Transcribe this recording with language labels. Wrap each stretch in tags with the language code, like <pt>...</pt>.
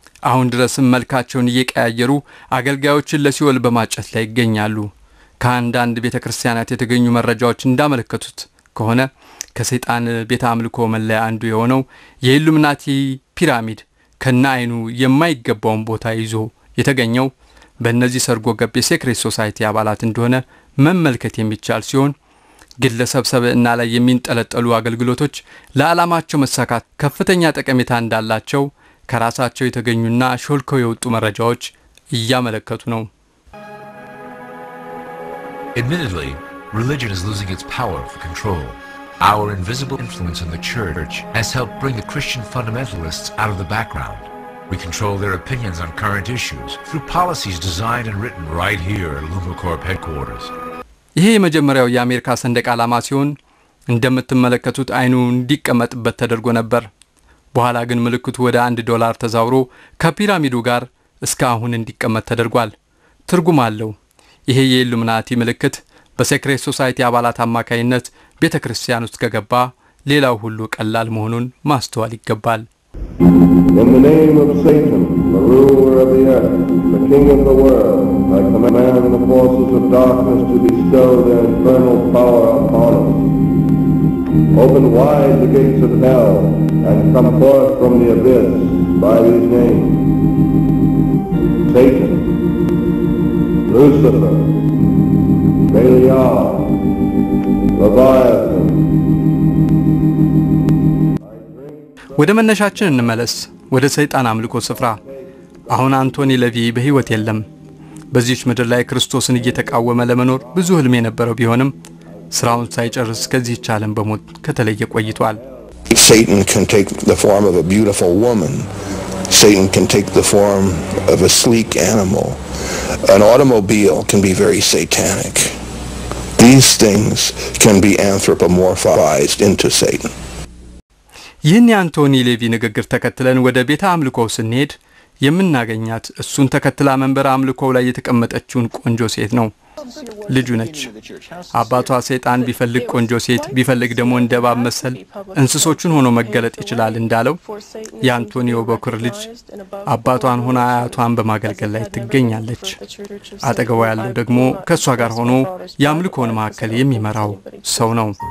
<am>አሁን ድረስም መልካቸውን እየቀያየሩ አገልጋዮችን ለሲኦል በማጨት ላይ ይገኛሉ። ከአንዳንድ ቤተክርስቲያናት የተገኙ መረጃዎች እንዳመለከቱት ከሆነ ከሰይጣን ቤተ አምልኮ መለያ አንዱ የሆነው የኢሉሚናቲ ፒራሚድ ከነአይኑ የማይገባውን ቦታ ይዞ የተገኘው በእነዚህ ሰርጎ ገብ የሴክሬት ሶሳይቲ አባላት እንደሆነ መመልከት የሚቻል ሲሆን ግለሰብሰብ እና ላይ የሚንጠለጠሉ አገልግሎቶች ለዓላማቸው መሳካት ከፍተኛ ጠቀሜታ እንዳላቸው ከራሳቸው የተገኙና ሾልከው የወጡ መረጃዎች እያመለከቱ ነው።</am> <en>Admittedly, religion is losing its power for control. Our invisible influence on the church has helped bring the Christian fundamentalists out of the background. We control their opinions on current issues through policies designed and written right here at LumaCorp headquarters.</en> <am>ይሄ መጀመሪያው የአሜሪካ ሰንደቅ ዓላማ ሲሆን እንደምትመለከቱት አይኑ እንዲቀመጥበት ተደርጎ ነበር። በኋላ ግን ምልክቱ ወደ 1 ዶላር ተዛውሮ ከፒራሚዱ ጋር እስካሁን እንዲቀመጥ ተደርጓል። ትርጉም አለው። ይሄ የኢሉሚናቲ ምልክት በሴክሬት ሶሳይቲ አባላት አማካይነት ቤተክርስቲያን ውስጥ ከገባ ሌላው ሁሉ ቀላል መሆኑን ማስተዋል ይገባል።</am> <en>In the name of Satan, the ruler of the earth, the king of the world, I command the forces of darkness to bestow their infernal power upon us. Open wide the gates of hell and come forth from the abyss by these names. Satan, Lucifer, Belial, Leviathan.</en> <am>ወደ መነሻችን እንመለስ። ወደ ሰይጣን አምልኮ ስፍራ። አሁን አንቶኒ ሌቪ በህይወት የለም። በዚህች ምድር ላይ ክርስቶስን እየተቃወመ ለመኖር ብዙ ህልም የነበረው ቢሆንም ስራውን ሳይጨርስ ከዚህ ቻለም በሞት ከተለየ ቆይቷል።</am> <en>Satan can take the form of a beautiful woman. Satan can take the form of a sleek animal. An automobile can be very satanic. These things can be anthropomorphized into Satan.</en> <am>ይህን የአንቶኒ ሌቪ ንግግር ተከትለን ወደ ቤተ አምልኮው ስንሄድ የምናገኛት እሱን ተከትላ መንበር አምልኮው ላይ የተቀመጠችውን ቆንጆ ሴት ነው። ልጁ ነች። አባቷ ሰይጣን ቢፈልግ ቆንጆ ሴት ቢፈልግ ደግሞ እንደባብ መሰል እንስሶቹን ሆኖ መገለጥ ይችላል እንዳለው የአንቶኒዮ በኩር ልጅ አባቷን ሆና አያቷን በማገልገል ላይ ትገኛለች። አጠገቧ ያለው ደግሞ ከእሷ ጋር ሆኖ የአምልኮውን ማዕከል የሚመራው ሰው ነው።</am>